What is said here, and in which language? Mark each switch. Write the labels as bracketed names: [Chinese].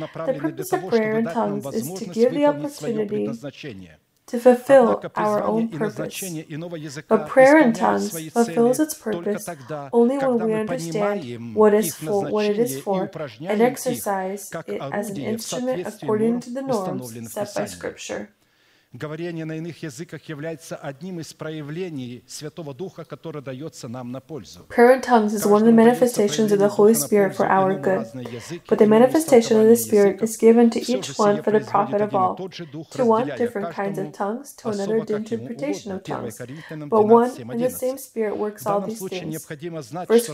[English] The purpose of prayer in tongues is to give the opportunity to fulfill our own purpose. But prayer in tongues fulfills its purpose only when we understand what it is for and exercise it as an instrument according to the norms set by Scripture. [Russian] Говорение на иных языках является одним из проявлений Святого Духа, который дается нам на пользу. [English] Prayer in tongues is one of the manifestations of the Holy Spirit for our good. But the manifestation of the Spirit is given to each one for the profit of all. To one, different kinds of tongues, to another, the interpretation of tongues. But one and the same Spirit works all these things.